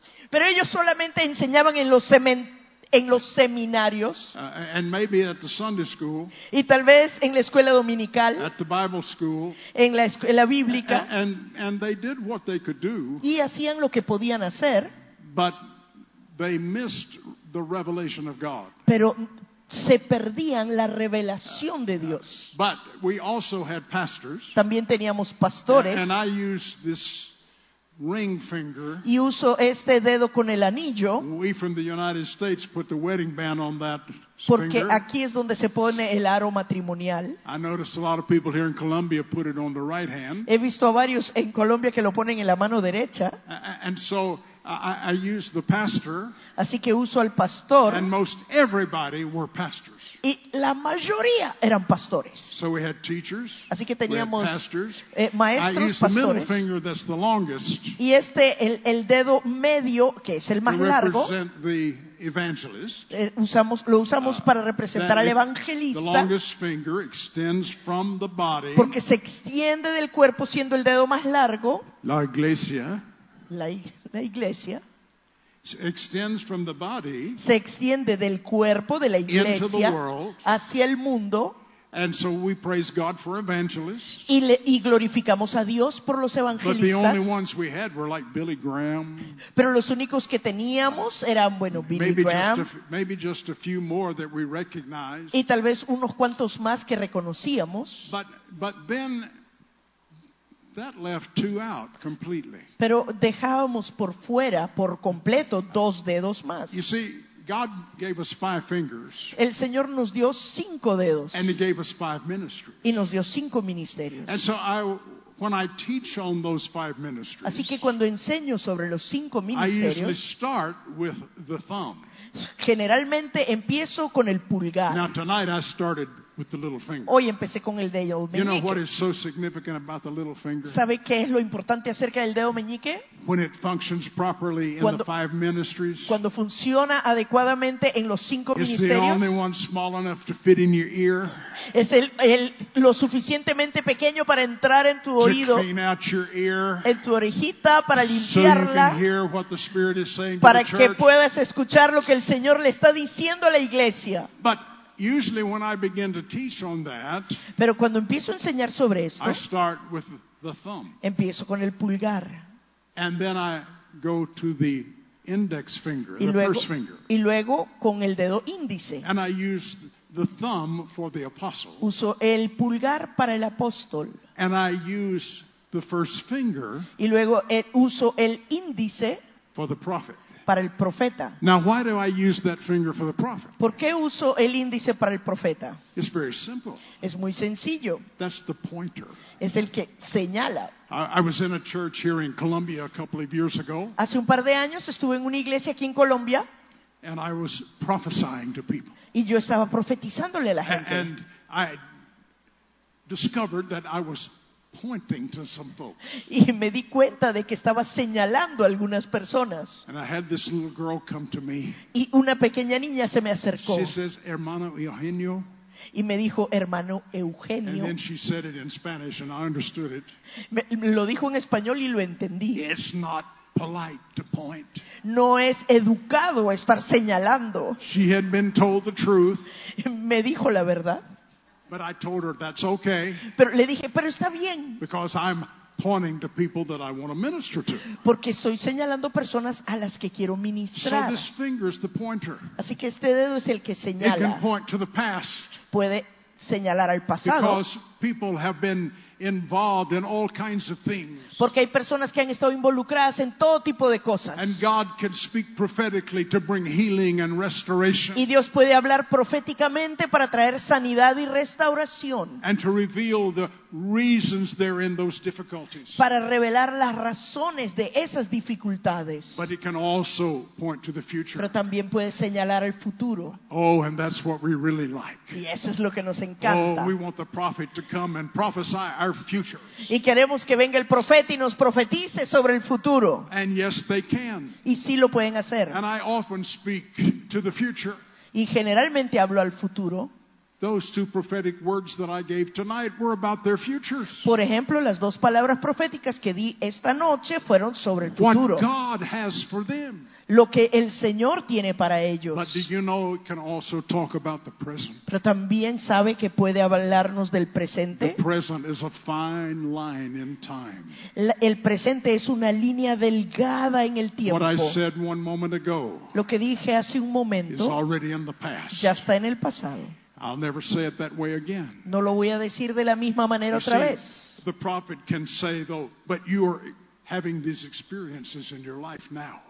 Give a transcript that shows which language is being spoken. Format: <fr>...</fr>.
<es>Pero ellos solamente enseñaban en los seminarios.</es> <en>And maybe at the Sunday school.</en> <es>Y tal vez en la escuela dominical.</es> <en>At the Bible school.</en> <es>En la escuela bíblica.</es> <en>And they did what they could do.</en> <es>Y hacían lo que podían hacer.</es> <en>But they missed the revelation of God.</en> <es>Pero se perdían la revelación de Dios.</es> <en>But we also had pastors.</en> <es>También teníamos pastores.</es> <en>And I used this ring finger.</en> <es>Y uso este dedo con el anillo.</es> <en>We from the United States put the wedding band on that finger.</en> <es>Porque aquí es donde se pone el aro matrimonial.</es> <en>I noticed a lot of people here in Colombia put it on the right hand.</en> <es>He visto a varios en Colombia que lo ponen en la mano derecha.</es> <en>And so I use the pastor.</en> <es>Así que uso al pastor.</es> <en>And most everybody were pastors.</en> <es>Y la mayoría eran pastores.</es> <en>So we had teachers.</en> <es>Así que teníamos</es> <en>we had pastors.</en> <es>Maestros,</es> <en>I use</en> <es>pastores.</es> <en>The middle finger, that's the longest.</en> <es>Y este el dedo medio que es el más largo.</es> <en>To represent the evangelist.</en> <es>Lo usamos para representar al evangelista.</es> <en>The longest finger extends from the body.</en> <es>Porque se extiende del cuerpo siendo el dedo más largo. La iglesia. La iglesia</es> <en>extends from the body,</en> <es>se extiende del cuerpo de la iglesia hacia el mundo.</es> <en>And so we praise God for evangelists.</en> <es>Y glorificamos a Dios por los evangelistas.</es> <en>But the only ones we had were like Billy Graham.</en> <es>Pero los únicos que teníamos eran, bueno, Billy</es> <en>maybe</en> <es>Graham.</es> <en>Just a few more that we recognized.</en> <es>Y tal vez unos cuantos más que reconocíamos.</es> <en>But then that left two out completely.</en> <es>Pero dejábamos por fuera, por completo, dos dedos más.</es> <en>You see, God gave us five fingers.</en> <es>El Señor nos dio cinco dedos.</es> <en>And he gave us five ministries.</en> <es>Y nos dio cinco ministerios.</es> <en>And so when I teach on those five ministries,</en> <es>así que cuando enseño sobre los cinco ministerios,</es> <en>I usually start with the thumb.</en> <es>Generalmente empiezo con el pulgar.</es> <en>Now tonight I started with the little finger.</en> <es>Hoy empecé con el dedo meñique.</es> <en>You know what is so significant about the little finger?</en> <es>¿Sabe qué es lo importante acerca del dedo meñique?</es> <en>When it functions properly in the five ministries.</en> <es>Cuando funciona adecuadamente en los cinco ministerios.</es> <en>It's the only one small enough to fit in your ear.</en> <es>Es el lo suficientemente pequeño para entrar en tu oído.</es> <en>To clean out your ear.</en> <es>En tu orejita para limpiarla.</es> <en>So you can hear what the Spirit is saying</en> <es>para</es> <en>to the</en> <es>que</es> <en>church.</en> <es>Puedas escuchar lo que el Señor le está diciendo a la iglesia.</es> <en>But usually when I begin to teach on that,</en> <es>pero cuando empiezo a enseñar sobre esto,</es> <en>I start with the thumb.</en> <es>Empiezo con el pulgar.</es> <en>And then I go to the index finger,</en> <es>y luego,</es> <en>the first finger.</en> <es>Y luego con el dedo índice.</es> <en>And I use the thumb for the apostle.</en> <es>Uso el pulgar para el apóstol.</es> <en>And I use the first finger.</en> <es>Y luego uso el índice</es> <en>for the prophet.</en> <es>Para el profeta.</es> <en>Now, why do I use that finger for the prophet?</en> <es>¿Por qué uso el índice para el profeta?</es> <en>It's very simple.</en> <es>Es muy sencillo.</es> <en>That's the pointer.</en> <es>Es el que señala.</es> <en>I was in a church here in Colombia a couple of years ago.</en> <es>Hace un par de años estuve en una iglesia aquí en Colombia.</es> <en>And I was prophesying to people.</en> <es>Y yo estaba profetizándole a la gente.</es> <en>And I discovered that I was pointing to some folks.</en> <es>Y me di cuenta de que estaba señalando a algunas personas.</es> <en>And I had this little girl come to me.</en> <es>Y una pequeña niña se me acercó.</es> <en>She says, "Hermano Eugenio."</en> <es>Y me dijo, "Hermano Eugenio."</es> <en>And then she said it in Spanish, and I understood it.</en> <es>Lo dijo en español y lo entendí.</es> <en>It's not polite to point.</en> <es>No es educado estar señalando.</es> <en>She had been told the truth.</en> <es>Me dijo la verdad.</es> <en>But I told her that's okay.</en> <es>Pero le dije, pero está bien.</es> <en>Because I'm pointing to people that I want to minister to.</en> <es>Porque estoy señalando personas a las que quiero ministrar.</es> <en>So this finger is the pointer.</en> <es>Así que este dedo es el que señala.</es> <en>It can point to the past.</en> <es>Puede señalar al pasado.</es> <en>Because people have been involved in all kinds of things.</en> <es>Porque hay personas que han estado involucradas en todo tipo de cosas.</es> <en>And God can speak prophetically to bring healing and restoration.</en> <es>Y Dios puede hablar proféticamente para traer sanidad y restauración.</es> <en>And to reveal the reasons they're in those difficulties.</en> <es>Para revelar las razones de esas dificultades.</es> <en>But it can also point to the future.</en> <es>Pero también puede señalar el futuro.</es> <en>Oh, and that's what we really like.</en> <es>Y eso es lo que nos encanta.</es> <en>Oh, we want the prophet to come and prophesy our futures.</en> <es>Y queremos que venga el profeta y nos profetice sobre el futuro.</es> <en>And yes, they can.</en> <es>Y sí lo pueden hacer.</es> <en>And I often speak to the future.</en> <es>Y generalmente hablo al futuro.</es> <en>Those two prophetic words that I gave tonight were about their futures.</en> <es>Por ejemplo, las dos palabras proféticas que di esta noche fueron sobre el futuro.</es> <en>What God has for them.</en> <es>Lo que el Señor tiene para ellos.</es> <en>But do you know it can also talk about the present?</en> <es>Pero también sabe que puede hablarnos del presente.</es> <en>The present is a fine line in time.</en> <es>El presente es una línea delgada en el tiempo.</es> <en>What I said one moment ago.</en> <es>Lo que dije hace un momento.</es> <en>Is already in the past.</en> <es>Ya está en el pasado.</es> <en>I'll never say it that way again.</en> <es>No lo voy a decir de la misma manera otra vez.</es> <en>The prophet can say though, but you are having these experiences in your life now.</en>